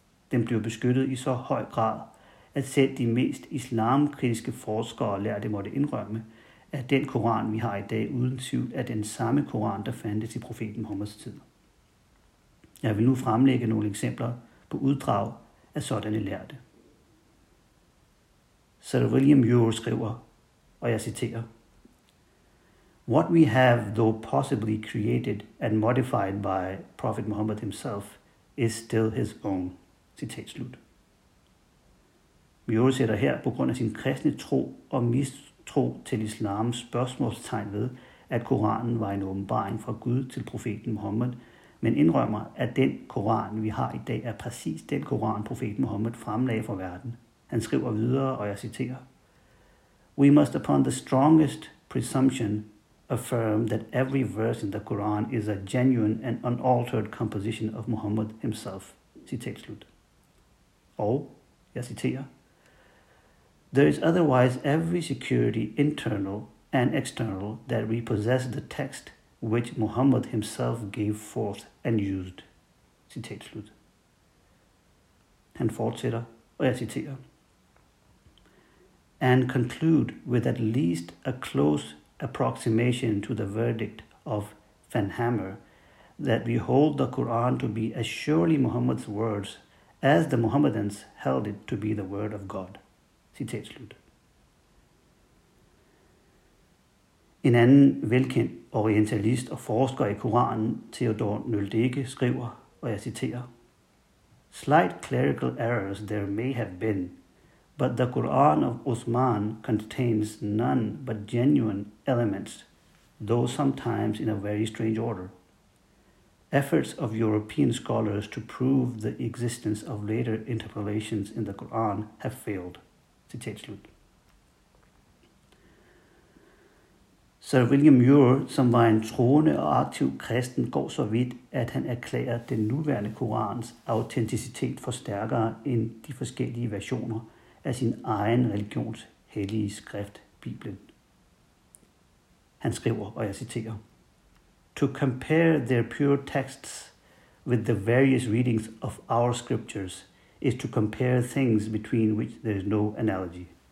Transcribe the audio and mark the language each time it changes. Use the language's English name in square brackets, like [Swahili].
[Danish] Den blev beskyttet i så høj grad, at selv de mest islamkritiske forskere lærte måtte indrømme, at den Koran, vi har i dag, uden tvivl er den samme Koran, der fandtes i profeten Muhammeds tid. Jeg vil nu fremlægge nogle eksempler på uddrag af sådanne lærte. Sir William Ure skriver, og jeg citerer: [English] "What we have, though possibly created and modified by Prophet Muhammad himself, is still his own." [Danish] Citat slut. Ure sætter her på grund af sin kristne tro og mistro til islams spørgsmålstegn ved, at Koranen var en åbenbaring fra Gud til profeten Muhammad, men indrømmer, at den Koran, vi har i dag, er præcis den Koran, profeten Muhammed fremlagde for verden. Han skriver videre, og jeg citerer: [English] "We must upon the strongest presumption affirm that every verse in the Quran is a genuine and unaltered composition of Muhammad himself." [Danish] Citat slut. Og Jeg citerer. [English] There is otherwise every security internal and external that we possess the text which Muhammad himself gave forth and used. [Danish] Citat slut. Han fortsætter, og jeg citerer. [English] And conclude with at least a close approximation to the verdict of Fanhammer that we hold the Quran to be as surely Muhammad's words as the Muhammadans held it to be the word of God. [Danish] Citat slut. En anden velkendt orientalist og forsker i Koranen, Theodor Nøldeke, skriver, og jeg citerer, [English] Slight clerical errors there may have been, but the Quran of Uthman contains none but genuine elements, though sometimes in a very strange order. Efforts of European scholars to prove the existence of later interpolations in the Quran have failed. [Danish] Citat slut. Sir William Muir, som var en troende og aktiv kristen, går så vidt, at han erklærer den nuværende Korans autenticitet for stærkere end de forskellige versioner af sin egen religions hellige skrift, Bibelen. Han skriver, og jeg citerer, [English] To compare their pure texts with the various readings of our scriptures is to compare things between which there is no analogy.